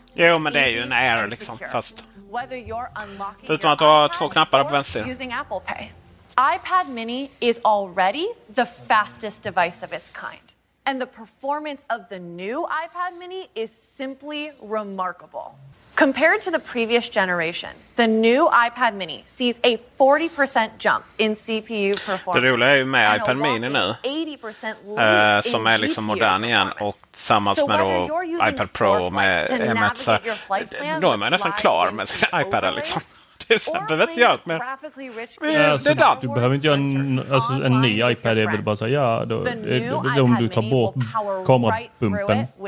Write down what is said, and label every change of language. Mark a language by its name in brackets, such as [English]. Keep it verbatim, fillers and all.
[Swedish] Jo, men det är ju en error liksom, fast... Utan att ha två knappar på vänster. [English] iPad Mini is already the fastest device of its kind. And the performance of the new iPad Mini is simply remarkable. Compared to the previous generation, the new iPad Mini sees a forty percent jump in C P U performance. [Swedish] Det roliga är ju med iPad Mini nu, uh, som är liksom modern igen, och tillsammans med då iPad Pro med M ett, så då är man nästan klar med sina iPadar liksom. Det vet jag inte, men alltså, du behöver inte göra en, alltså, en ny iPad. Det är väl bara så, ja, då, då, om du tar bort kamerapumpen.